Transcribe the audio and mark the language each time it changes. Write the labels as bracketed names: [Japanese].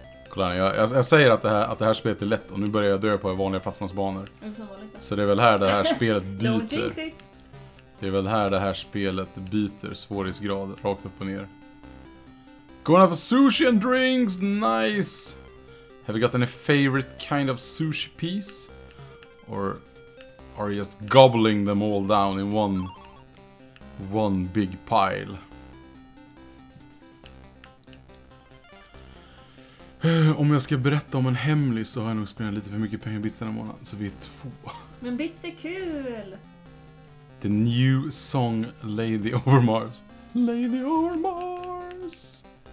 [Swedish] Kolla, jag säger att det här spelet är lätt och nu börjar jag dö på vanliga plattformsbanor. Så det är väl här det här spelet byter. Det är väl här det här spelet byter svårighetsgrad rakt upp och ner. [English] Going for sushi and drinks, nice! Have you got any favorite kind of sushi piece? Or... are just gobbling them all down in one big pile. [Swedish] Om jag ska berätta om en hemlis så har jag nog spelat lite för mycket pengar bits den här månaden. Så vi är två. Men bits är kul! [English] The new song Lady Over Mars. Lady Over Mars!